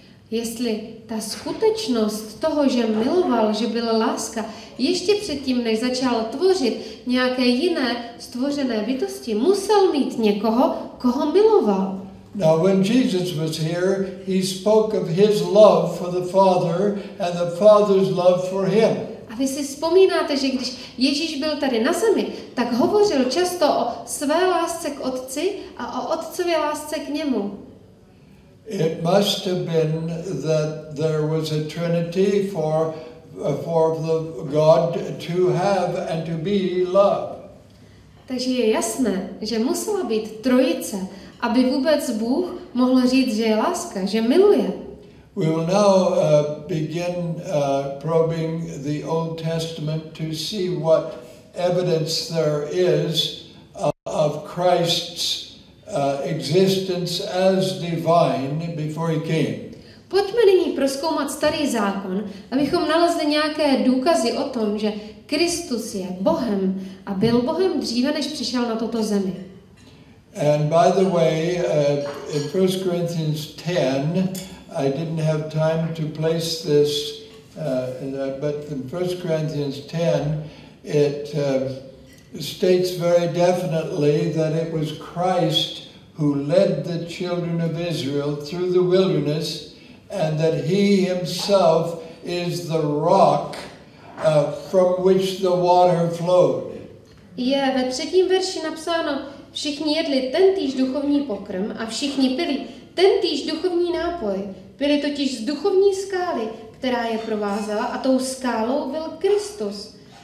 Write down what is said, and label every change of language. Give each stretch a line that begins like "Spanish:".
Czech: Jestli ta skutečnost toho, že miloval, že byla láska, ještě předtím, než začal tvořit nějaké jiné stvořené bytosti, musel mít někoho, koho miloval.
English: Now when Jesus was here, he spoke of his love for the Father and the Father's love for him.
Czech: A vy si vzpomínáte, že když Ježíš byl tady na zemi, tak hovořil často o své lásce k Otci a o Otcově lásce k němu.
English: It must have been that there was a Trinity for the God to have and to be love.
Czech: Takže je jasné, že musela být Trojice, aby vůbec Bůh mohl říct, že je láska, že miluje.
English: We will now begin probing the Old Testament to see what evidence there is of Christ's existence as divine before he came.
Czech: Pojďme nyní prozkoumat Starý zákon, abychom nalezli nějaké důkazy o tom, že Kristus je Bohem a byl Bohem dříve, než přišel na tuto zemi.
English: And by the way, in 1 Corinthians 10, I didn't have time to place this, but in 1 Corinthians 10, it states very definitely that it was Christ who led the children of Israel through the wilderness, and that he himself is the rock from which the water flowed.
Czech: Je ve třetím verši napsáno, všichni jedli tentýž duchovní pokrm a všichni pili tentýž duchovní nápoj. Byli totiž z duchovní skály, která je provázela, a tou skálou byl Kristus.